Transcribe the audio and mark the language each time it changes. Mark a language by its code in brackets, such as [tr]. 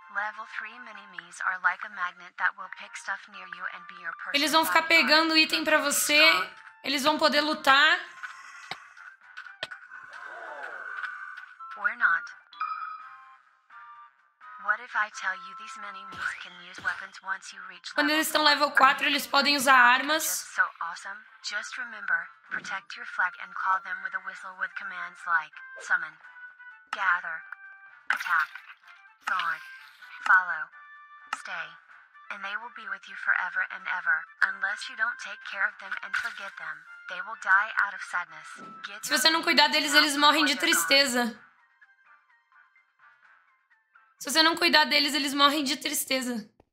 [en] Level 3 mini-me's are like a magnet that will pick stuff near you and be your personal. [pt] Eles vão ficar pegando item pra você. Eles vão poder lutar. [en] We're not. What if I tell you these mini-me's can use weapons once you reach level 4? [pt] Quando eles estão level 4, eles podem usar armas. [en] So awesome. Just remember, protect your flag and call them with a whistle with commands like summon, gather, attack, guard, follow, stay. And they will be with you forever and ever. Unless you don't take care of them and forget them, they will die out of sadness. [pt] Get Se você não cuidar deles, eles morrem de tristeza. Se você não cuidar deles, eles morrem de tristeza.